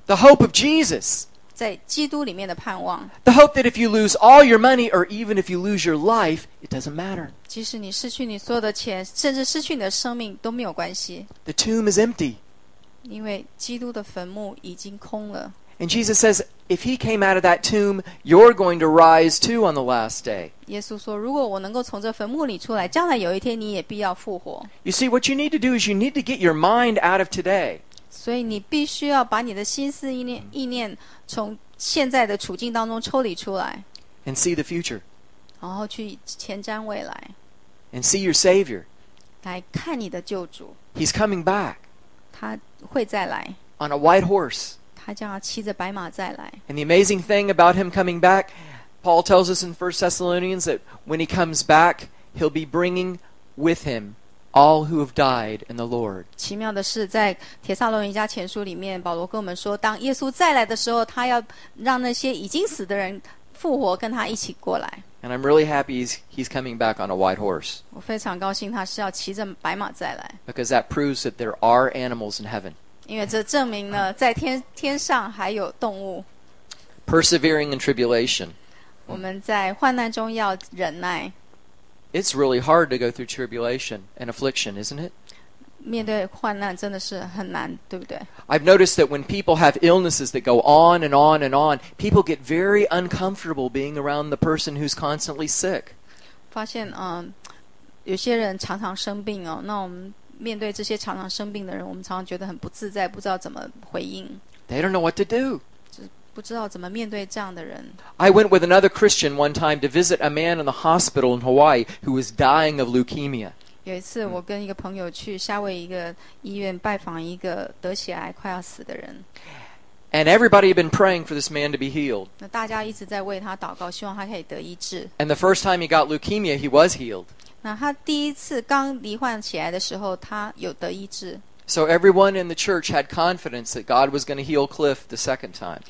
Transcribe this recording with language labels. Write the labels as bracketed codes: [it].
[en] The hope of Jesus. [zh] 在基督里面的盼望。 [en] The hope that if you lose all your money or even if you lose your life, it doesn't matter. [zh] 即使你失去你所有的钱，甚至失去你的生命都没有关系。 [en] The tomb is empty. [zh] 因为基督的坟墓已经空了。 [en] And Jesus says, if he came out of that tomb, you're going to rise too on the last day. [zh] 耶稣说，如果我能够从这坟墓里出来，将来有一天你也必要复活。 [en] You see, what you need to do is you need to get your mind out of today. [zh] 所以你必须要把你的心思意念从现在的处境当中抽离出来。 [en] And see the future. [zh] 然后去前瞻未来。 [en] And see your Savior. [zh] 来看你的救主。 [en] He's coming back. [zh] 他会再来。 [en] On a white horse. [zh] 他将要骑着白马再来。 [en] And the amazing thing about him coming back, Paul tells us in 1 Thessalonians that when he comes back, he'll be bringing with him all who have died in the Lord. [zh] 奇妙的是，在帖撒罗尼迦前书里面，保罗跟我们说，当耶稣再来的时候，他要让那些已经死的人复活，跟他一起过来。 [en] And I'm really happy he's coming back on a white horse. [zh] 我非常高兴他是要骑着白马再来。 [en] Because that proves that there are animals in heaven. [zh] 因为这证明了在 天上还有动物。 [en] Persevering in tribulation. [zh] 我们在患难中要忍耐。 [en] It's really hard to go through tribulation and affliction, isn't it? [zh] 面对患难真的是很难，对不对？ [en] I've noticed that when people have illnesses that go on and on and on, people get very uncomfortable being around the person who's constantly sick. [zh] 发现有些人常常生病哦，那我们面对这些常常生病的人，我们常常觉得很不自在，不知道怎么回应。 [en] They don't know what to do. [zh] 就不知道怎么面对这样的人。 [en] I went with another Christian one time to visit a man in the hospital in Hawaii who was dying of leukemia. [zh] 有一次，我跟一个朋友去夏威夷一个医院拜访一个得血癌快要死的人。 [en] And everybody had been praying for this man to be healed. [zh] 那大家一直在为他祷告，希望他可以得医治。 [en] And the first time he got leukemia, he was healed. [zh] 那他第一次刚罹患起来的时候，他有得医治。 [en] So everyone in the church had confidence that God was going to heal Cliff the second time.